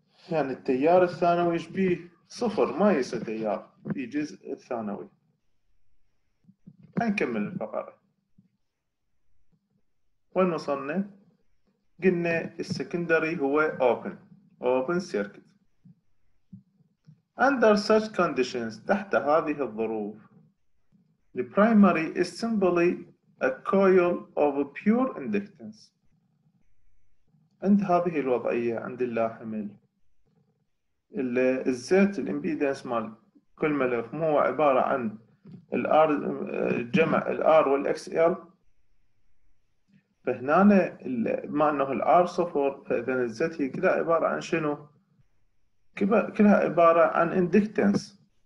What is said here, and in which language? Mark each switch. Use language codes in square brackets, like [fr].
[ar] يعني التيار الثانوي ايش بيه؟ صفر، ما يصير تيار في الجزء الثانوي. هنكمل الفقرة. وين وصلنا؟ قلنا السكندري هو open، open circuit. [en] Under such conditions، [ar] تحت هذه الظروف، [en] the primary is simply a coil of pure inductance. [ar] عند هذه الوضعية، عند اللا حمل، الزيت الامبيدنس مال كل ملف مو هو عبارة عن الار جمع الار والاكس ال، فهنا ما انه الار صفر، فاذا الزيت هي كلها عبارة عن شنو؟ كلها عبارة عن اندكتنس.